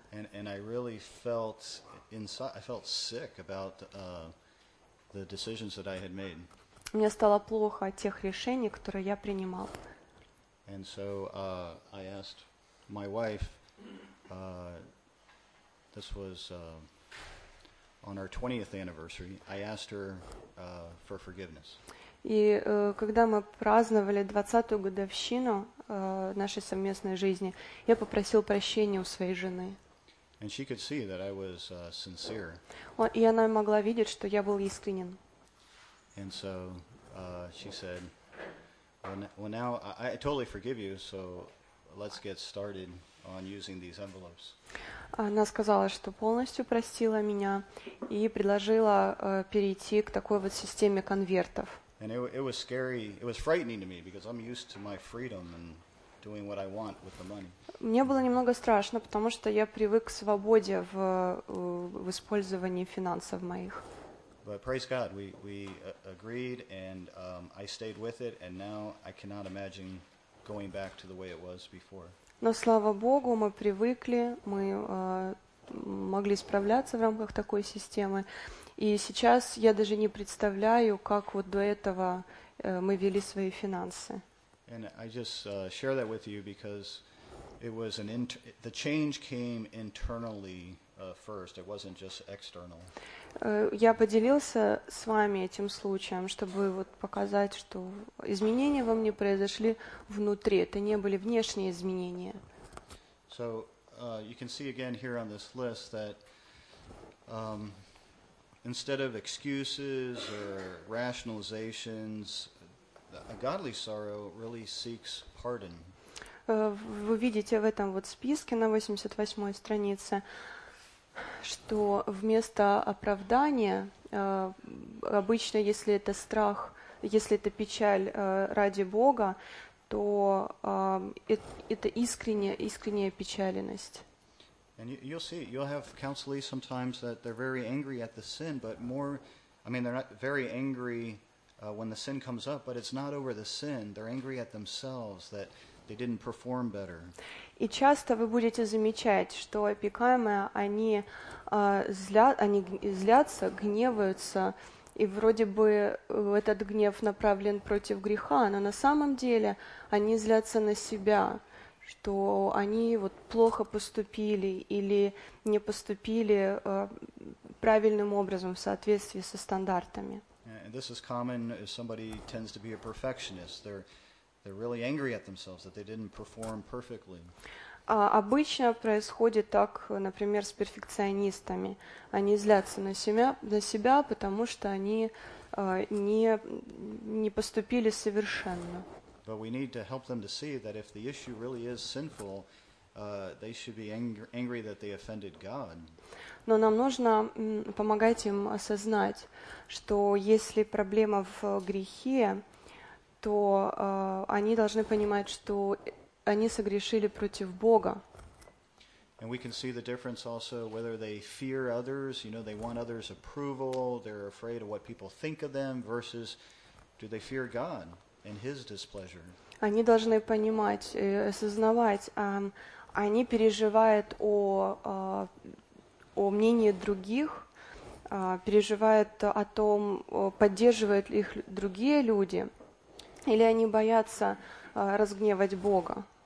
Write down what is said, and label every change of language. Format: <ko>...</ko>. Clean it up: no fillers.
<en>And I really felt inside, I felt sick about the decisions that I had made.</en> <ru>Мне стало плохо от тех решений, которые я принимал.</ru> <en>And so I asked my wife, this was on our 20th anniversary, I asked her for forgiveness.</en> <ru>И когда мы праздновали 20-ю годовщину нашей совместной жизни, я попросил прощения у своей жены.</ru> <en>And she could see that I was sincere.</en> <ru>И она могла видеть, что я был искренен.</ru> <en>And so she said, well now I totally forgive you, so let's get started on using these envelopes.</en> <ru>Она сказала, что полностью простила меня и предложила перейти к такой вот системе конвертов.</ru> <en>And it was scary, it was frightening to me because I'm used to my freedom and doing what I want with the money.</en> <ru>Мне было немного страшно, потому что я привык к свободе в использовании финансов моих.</ru> <en>But praise God, we agreed and I stayed with it and now I cannot imagine going back to the way it was before.</en> <ru>Но слава Богу, мы привыкли, мы могли справляться в рамках такой системы. И сейчас я даже не представляю, как вот до этого мы вели свои финансы.</ru> <en>And I just share that with you because it was the change came internally first. It wasn't just external.</en> <ru>Я поделился с вами этим случаем, чтобы вот показать, что изменения во мне произошли внутри. Это не были внешние изменения.</ru> <en>So you can see again here on this list that instead of excuses or rationalizations, a godly sorrow really seeks pardon.</en> <ru>Вы видите в этом вот списке на 88-й странице, что вместо оправдания, обычно, если это страх, если это печаль ради Бога, то это искренняя печаленность.</ru> <en>And you'll see, you'll have counselees sometimes that they're very angry at the sin, but more, I mean, they're not very angry when the sin comes up, but it's not over the sin. They're angry at themselves that they didn't perform better.</en> <ru>И часто вы будете замечать, что опекаемые, они злятся, гневаются, и вроде бы этот гнев направлен против греха, но на самом деле они злятся на себя, что они вот плохо поступили или не поступили правильным образом в соответствии со стандартами.</ru> <en>And this is common if somebody tends to be a perfectionist. They're really angry at themselves that they didn't perform perfectly.</en> <ru>Обычно происходит так, например, с перфекционистами. Они злятся на себя, потому что они не поступили совершенно.</ru> <en>But we need to help them to see that if the issue really is sinful, they should be angry that they offended God.</en> <ru>Но нам нужно помогать им осознать, что если проблема в грехе, то они должны понимать, что они согрешили против Бога.</ru> <en>And we can see the difference also whether they fear others, you know, they want others' approval, they're afraid of what people think of them versus do they fear God and his displeasure.</en> <ru>Они должны понимать, осознавать, они переживают о мнении других, переживают о том, поддерживают ли их другие люди, или они боятся разгневать Бога.</ru>